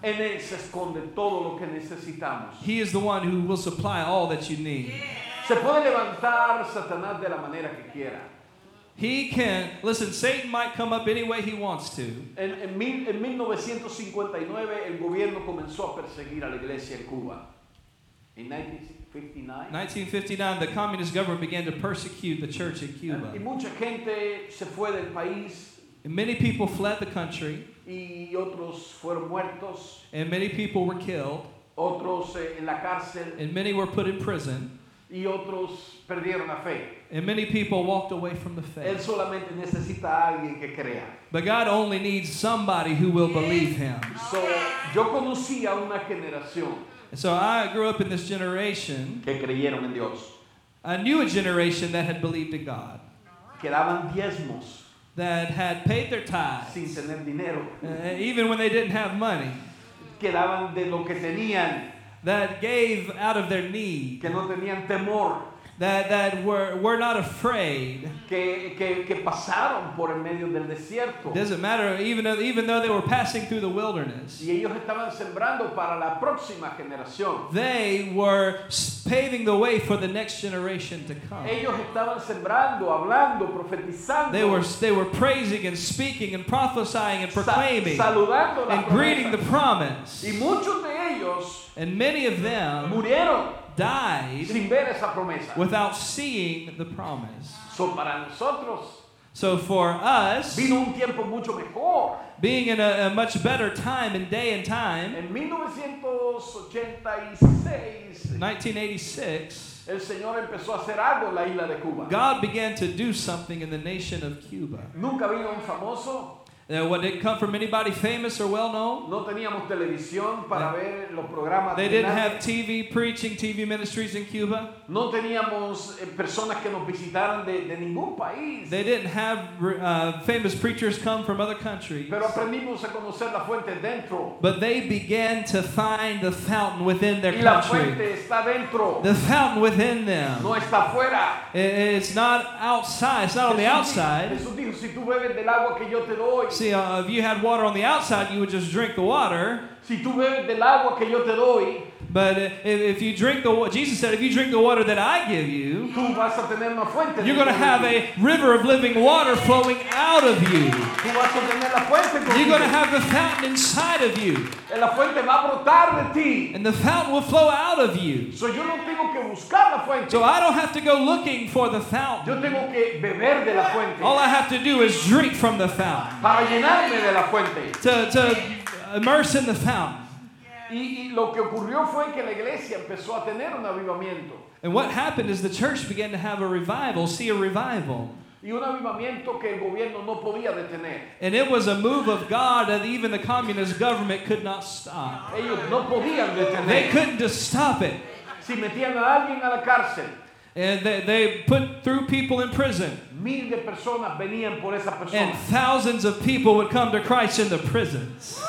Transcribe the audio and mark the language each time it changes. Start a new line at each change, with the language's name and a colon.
Spanish: En él se esconde todo lo que necesitamos.
English: He is the one who will supply all that you need.
Spanish: Se puede levantar Satanás de la manera que quiera.
English: He can, listen, Satan might come up any way he wants to.
Spanish: En 1959, el gobierno comenzó a perseguir a la iglesia en Cuba.
English: In 1959, the communist government began to persecute the church in Cuba.
Spanish: Y mucha gente se fue del país.
English: And many people fled the country.
Spanish: Y otros fueron muertos.
English: And many people were killed.
Spanish: Otros en la cárcel.
English: And many were put in prison.
Spanish: Y otros perdieron la fe.
English: And many people walked away from the faith.
Spanish: Él solamente necesita a alguien que crea.
English: But God only needs somebody who will believe him.
Spanish: So, yo conocí a una generación.
English: So I grew up in this generation.
Spanish: Que creyeron en Dios.
English: I knew a generation that had believed in God.
Spanish: Que daban diezmos.
English: That had paid their tithes.
Spanish: Sin tener dinero.
English: Even when they didn't have money.
Spanish: Que daban de lo que tenían.
English: That gave out of their need.
Spanish: Que no tenían temor.
English: That were not afraid.
Spanish: Que pasaron por el medio del desierto.
English: Doesn't matter, even though they were passing through the wilderness.
Spanish: Y ellos estaban sembrando para la próxima generación.
English: They were paving the way for the next generation to come.
Spanish: Ellos estaban sembrando, hablando, profetizando.
English: They were praising and speaking and prophesying and proclaiming.
Spanish: Saludando
English: and greeting the promise.
Spanish: Y muchos de ellos.
English: And many of them.
Spanish: Murieron.
English: Died
Spanish: sin ver esa promesa.
English: Without seeing the promise.
Spanish: So, para nosotros,
English: So for us,
Spanish: vino un tiempo mucho mejor.
English: Being in a much better time and day and time,
Spanish: en 1986, el Señor empezó a hacer algo en la isla de Cuba.
English: God began to do something in the nation of Cuba.
Spanish: Nunca vino un famoso.
English: What didn't come from anybody famous or well known?
Spanish: No teníamos televisión para ver los programas.
English: They didn't have TV preaching, TV ministries in Cuba.
Spanish: No teníamos personas que nos visitaran de ningún país.
English: They didn't have famous preachers come from other countries.
Spanish: Pero aprendimos a conocer la fuente dentro.
English: But they began to find the fountain within their
Spanish: y la
English: country.
Spanish: Fuente está dentro.
English: The fountain within them.
Spanish: No está fuera.
English: It's not outside. It's not on the outside.
Spanish: Jesús dijo, si tú bebes del agua que yo te doy.
English: See, if you had water on the outside, you would just drink the water.
Spanish: Si tú bebes del agua que yo te doy,
English: but if you drink the water, Jesus said, if you drink the water that I give you,
Spanish: tú vas a tener una fuente,
English: you're going to have a river of living water flowing out of you.
Spanish: Tú vas a tener la fuente contigo.
English: You're going to have the fountain inside of you.
Spanish: La fuente va a brotar de ti.
English: And the fountain will flow out of you.
Spanish: So, yo no tengo que buscar la fuente.
English: So I don't have to go looking for the fountain.
Spanish: Yo tengo que beber de la fuente.
English: All I have to do is drink from the fountain.
Spanish: Para llenarme de la fuente.
English: To immerse in the fountain.
Spanish: Y lo que ocurrió fue que la iglesia empezó a tener un avivamiento.
English: And what happened is the church began to have a revival, see a revival.
Spanish: Y un avivamiento que el gobierno no podía detener.
English: And it was a move of God that even the communist government could not stop.
Spanish: Ellos no podían detener.
English: They couldn't just stop it.
Spanish: Si metían a alguien a la cárcel.
English: And they put through people in prison.
Spanish: Mil de personas venían por esa persona.
English: And thousands of people would come to Christ in the prisons.